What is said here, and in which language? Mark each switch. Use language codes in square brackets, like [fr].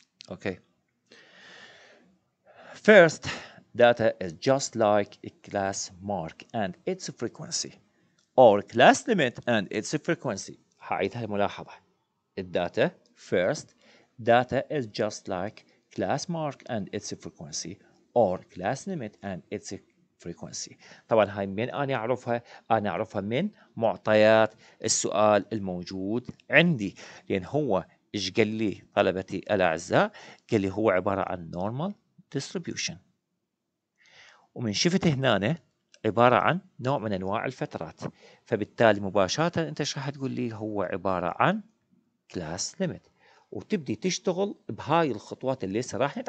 [en] Okay first data is just like a class mark and its frequency or class limit and its frequency. [ar] هعيدها الملاحظة. الداتا [en] first data is just like class mark and its frequency or class limit and its frequency. [ar] طبعا هاي من أنا أعرفها؟ أنا أعرفها من معطيات السؤال الموجود عندي. لأن هو إيش قال لي طلبتي الأعزاء؟ قال لي هو عبارة عن normal distribution. ومن شفت هنا عبارة عن نوع من أنواع الفترات، فبالتالي مباشرة أنت راح تقول لي هو عبارة عن class limit، وتبدي تشتغل بهاي الخطوات اللي راح نتعلمها.